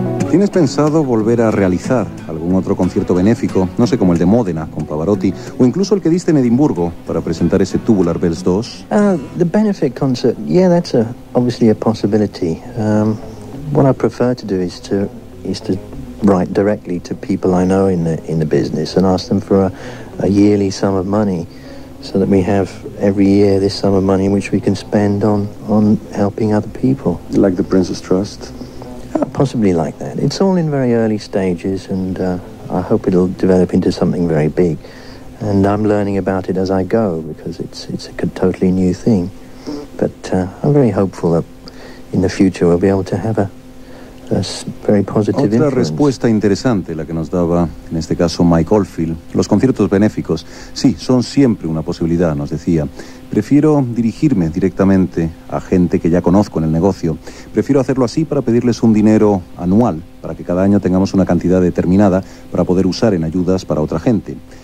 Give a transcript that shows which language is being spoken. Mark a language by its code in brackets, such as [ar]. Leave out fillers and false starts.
[es] ¿Tienes pensado volver a realizar algún otro concierto benéfico, no sé, como el de Módena con Pavarotti, o incluso el que diste en Edimburgo para presentar ese Tubular Bells 2? [en] The benefit concert, yeah, that's obviously a possibility. What I prefer to do is to write directly to people I know in the business and ask them for a yearly sum of money, so that we have every year this sum of money which we can spend on helping other people. Like the Prince's Trust. Possibly like that. It's all in very early stages, and I hope it'll develop into something very big. And I'm learning about it as I go, because it's a totally new thing. But I'm very hopeful that in the future we'll be able to have a very positive influence. [es] Otra respuesta interesante la que nos daba, en este caso, Mike Oldfield. Los conciertos benéficos, sí, son siempre una posibilidad, nos decía. Prefiero dirigirme directamente a gente que ya conozco en el negocio. Prefiero hacerlo así para pedirles un dinero anual, para que cada año tengamos una cantidad determinada para poder usar en ayudas para otra gente.